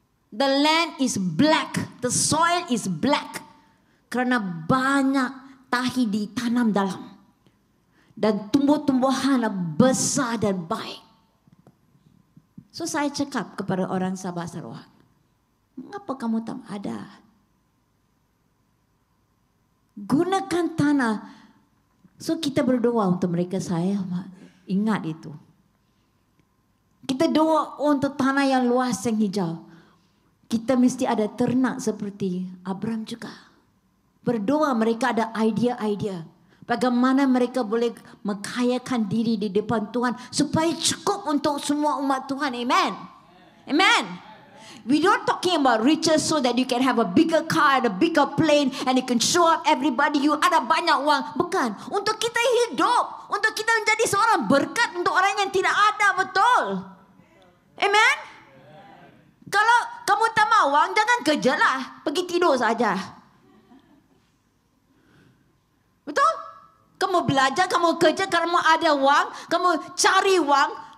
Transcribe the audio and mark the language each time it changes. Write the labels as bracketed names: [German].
[English] The land is black, the soil is black. [Malay] Kerana banyak tahi ditanam dalam. Dan tumbuh-tumbuhan besar dan baik. So saya cakap kepada orang Sabah Sarawak, mengapa kamu tak ada? Gunakan tanah. So kita berdoa untuk mereka, saya ingat itu. Kita doa untuk tanah yang luas yang hijau. Kita mesti ada ternak seperti Abram juga. Berdoa mereka ada idea-idea. Bagaimana mereka boleh mengkayakan diri di depan Tuhan supaya cukup untuk semua umat Tuhan. Amen. Amen. [English] We don't talking about riches so that you can have a bigger car and a bigger plane and you can show up everybody you [Malay] ada banyak wang. Bukan. Untuk kita hidup. Untuk kita menjadi seorang berkat untuk orang yang tidak ada. Betul. Amen. Kalau kamu tak mahu wang, jangan kerjalah. Pergi tidur saja. Betul? Kamu belajar, kamu kerja, kamu ada wang, kamu cari wang.